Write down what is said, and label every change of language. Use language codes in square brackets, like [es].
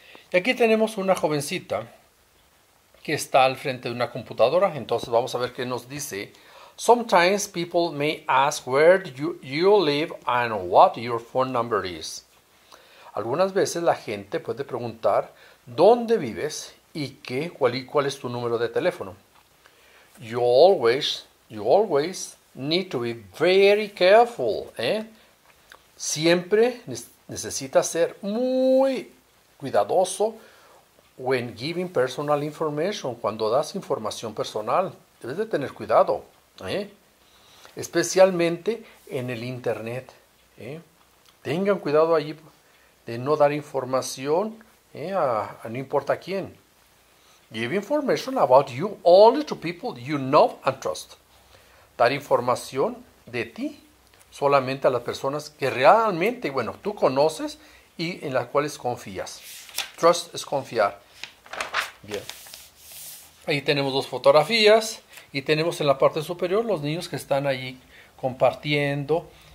[es] Y aquí tenemos una jovencita que está al frente de una computadora. Entonces vamos a ver qué nos dice. [en] Sometimes people may ask where you live and what your phone number is. [es] Algunas veces la gente puede preguntar dónde vives y cuál es tu número de teléfono. [en] You always need to be very careful, ¿eh? [es] Siempre necesitas ser muy cuidadoso [en] when giving personal information, [es] cuando das información personal. Debes de tener cuidado, ¿eh? Especialmente en el internet, ¿eh? Tengan cuidado allí de no dar información, a no importa quién. [en] Give information about you only to people you know and trust. [es] dar información de ti solamente a las personas que realmente, bueno, tú conoces y en las cuales confías. Trust es confiar. Bien. Ahí tenemos dos fotografías y tenemos en la parte superior los niños que están allí compartiendo.